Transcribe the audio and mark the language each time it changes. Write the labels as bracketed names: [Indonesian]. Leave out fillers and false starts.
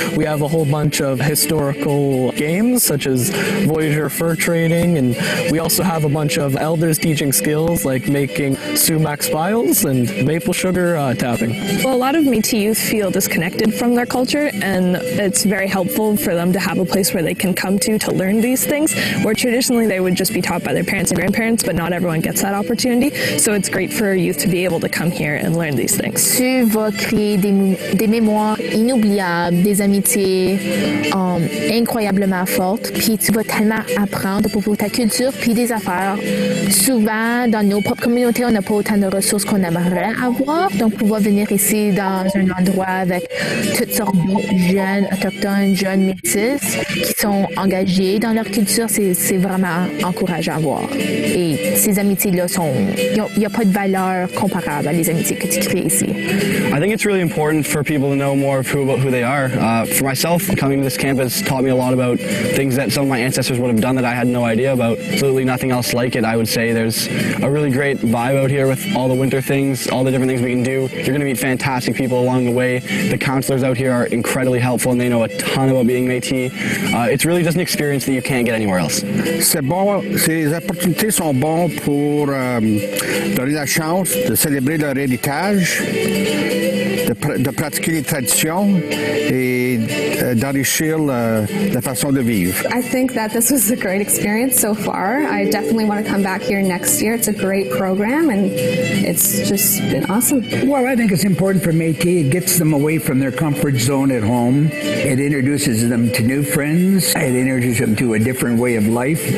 [English] We have a whole bunch of historical games such as Voyageur fur trading, and we also have a bunch of elders teaching skills like making sumac spiles and maple sugar tapping. Well, a lot of Métis youth feel disconnected from their culture, and it's very helpful for them to have a place where they can come to learn these things, where traditionally they would just be taught by their parents and grandparents, but not everyone gets that opportunity. So it's great for youth to be able to come here and learn these things. [French] Tu vas créer des mémoires inoubliables, des amitiés incroyablement fortes, puis tu vas tellement apprendre à propos de ta culture, puis des affaires. Souvent, dans nos propres communautés, on n'a pas autant de ressources qu'on aimerait avoir. Donc, pouvoir venir ici dans un endroit avec toutes sortes de jeunes autochtones, jeunes métis, qui sont engagés dans leur culture, c'est vraiment encourageant à voir. Et ces amitiés-là sont, il y a pas de valeur comparable à les amitiés que tu crées ici. [English] I think it's really important for people to know more of who they are. For myself, coming to this campus taught me a lot about things that some of my ancestors would have done that I had no idea about. Absolutely nothing else like it. I would say there's a really great vibe out here with all the winter things, all the different things we can do. You're going to meet fantastic people along the way. The counselors out here are incredibly helpful, and they know a ton about being Métis. It's really just an experience that you can't get anywhere else. [French] C'est bon, ces opportunités sont bonnes pour donner la chance de célébrer leur héritage. de pratiquer les traditions et d'enrichir la façon de vivre. [English] I think that this was a great experience so far. I definitely want to come back here next year. It's a great program and it's just been awesome. Well, I think it's important for Métis. It gets them away from their comfort zone at home. It introduces them to new friends. It introduces them to a different way of life.